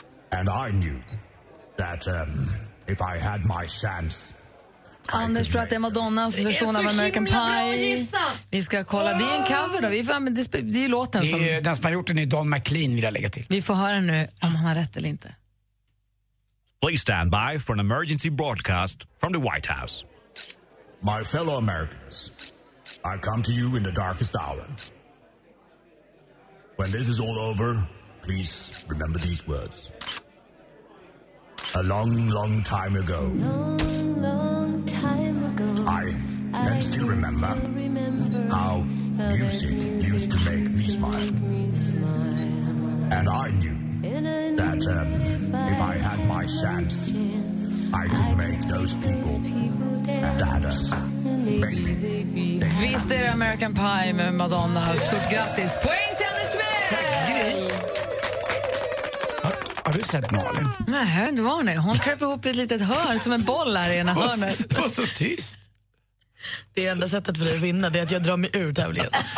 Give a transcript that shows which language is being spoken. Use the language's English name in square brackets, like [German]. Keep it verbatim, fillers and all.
[English] And I knew that um, if I had my chance. [Swedish] Anders tror att det är Madonnas version av American Pie. Vi ska kolla, det är en cover då. Vi får, det är låten det är, som... Den som har gjort den är Don McLean vill jag lägga till. Vi får höra nu om han har rätt eller inte. [English] Please stand by for an emergency broadcast from the White House. My fellow Americans, I come to you in the darkest hour. When this is all over, please remember these words. A long, long time ago. Long, long time ago. I can still remember, still remember how music, music used to make me smile. me smile. And I knew that um, if I had my chance, I could make those people that uh, [Swedish] Visst är det American Pie med Madonna. Stort grattis. Poäng till Anders Timell! Har du sett Malin? Nej, det var det. Hon kröp ihop ett litet hörn som en boll här i ena hörnet. Det var så tyst. Det enda sättet för dig att vinna det är att jag drar mig ur tävlingen.